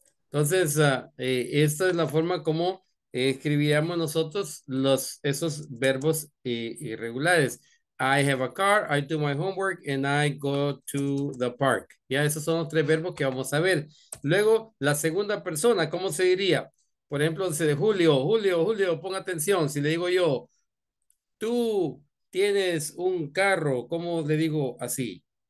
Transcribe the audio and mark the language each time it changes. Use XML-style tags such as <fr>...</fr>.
<es>Entonces, esta es la forma como escribíamos nosotros los, esos verbos irregulares.</es> <en>I have a car, I do my homework, and I go to the park.</en> <es>Ya, esos son los tres verbos que vamos a ver. Luego, la segunda persona, ¿cómo se diría? Por ejemplo, dice Julio, pon atención. Si le digo yo, tú tienes un carro, ¿cómo le digo así?</es>